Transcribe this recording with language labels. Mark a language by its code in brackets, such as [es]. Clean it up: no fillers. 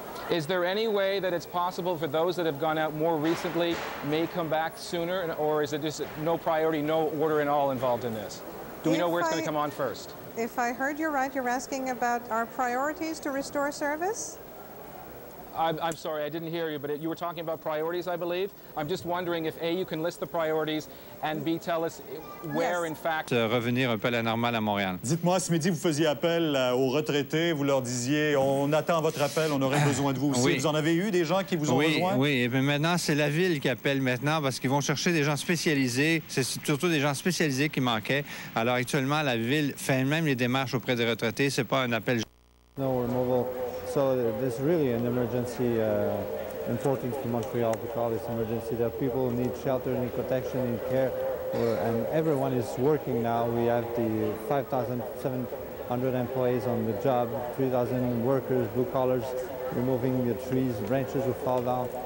[en] Is there any way that it's possible for those that have gone out more recently may come back sooner, or is it just no priority, no order at all involved in this? Do we know where it's going to come on first? If I heard you right, you're asking about our priorities to restore service? I'm sorry, I didn't hear you, but you were talking about priorities, I believe. I'm just wondering if A, you can list the priorities, and B, tell us where, yes, in fact... [fr] Revenir un peu à la normale à Montréal. Dites-moi, ce midi, vous faisiez appel aux retraités, vous leur disiez, on attend votre appel, on aurait besoin de vous aussi. Oui. Vous en avez eu des gens qui vous ont oui, rejoint? Oui, mais maintenant, c'est la ville qui appelle maintenant, parce qu'ils vont chercher des gens spécialisés. C'est surtout des gens spécialisés qui manquaient. Alors actuellement, la ville fait même les démarches auprès des retraités. C'est pas un appel... [en] No, we're mobile. So this is really an emergency important for Montreal to call this emergency. That people need shelter, need protection, need care, and everyone is working now. We have the 5,700 employees on the job, 3,000 workers, blue collars, removing the trees, branches who fall down.